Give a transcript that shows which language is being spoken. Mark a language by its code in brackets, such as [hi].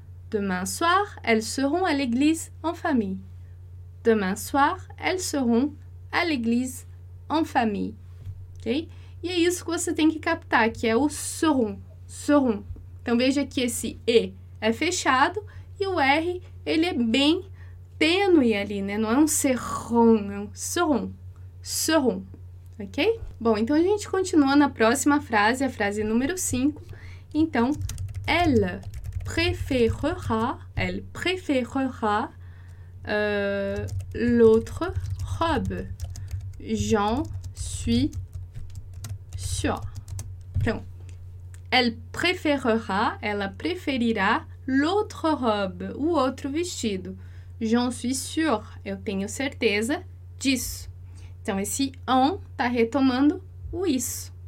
[fr] Demain soir, elles seront à l'église en famille. Demain soir, elles seront à l'église en famille. Ok? [pt] E é isso que você tem que captar, que é o seront. Seront. Então, veja que esse E é fechado e o R, ele é bem tênue ali, né? Não é um serrão, é um seront. Seront. Ok? Bom, então a gente continua na próxima frase, a frase número 5. [fr] Então, elle préférera l'autre robe. J'en suis sûre. [pt] Então, ela preferirá [fr] l'autre robe, [pt] o outro vestido. [fr] J'en suis sûre, [pt] eu tenho certeza disso. Então, esse en está retomando o isso.